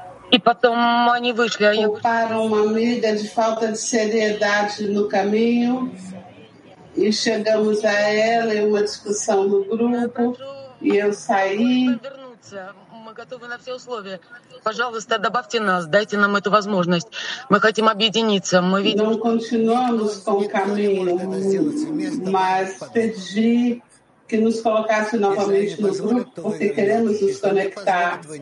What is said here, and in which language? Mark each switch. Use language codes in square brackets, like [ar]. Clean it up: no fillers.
[pt] Culparam uma amiga de falta de seriedade no caminho e chegamos a ela em uma discussão no grupo. E eu saí. [ru] Мы готовы на все условия. Пожалуйста, добавьте нас, дайте нам эту возможность. Мы хотим объединиться. Мы видим. [pt] Não continuamos com o caminho, mas pedi que nos colocasse novamente no grupo, porque queremos nos conectar.